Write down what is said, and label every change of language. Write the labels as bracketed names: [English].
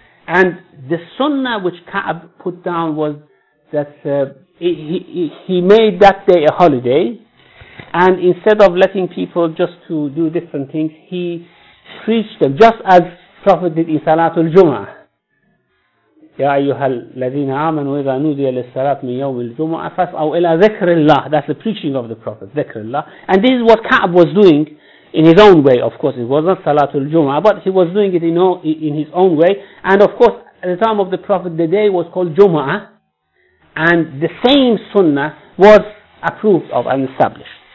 [English] And the sunnah which Ka'ab put down was that he made that day a holiday, and instead of letting people just to do different things, he preached them, just as Prophet did in Salatul Jum'ah. [Arabic] يا أيها الذين آمنوا إذا نودي للصلاة من يوم الجمعة فاسعوا إلى ذكر الله. [English] That's the preaching of the Prophet, ذكر الله. And this is what Ka'b was doing in his own way. Of course, it was not Salatul Jum'ah, but he was doing it in his own way. And of course, at the time of the Prophet, the day was called Jum'ah, and the same Sunnah was approved of and established.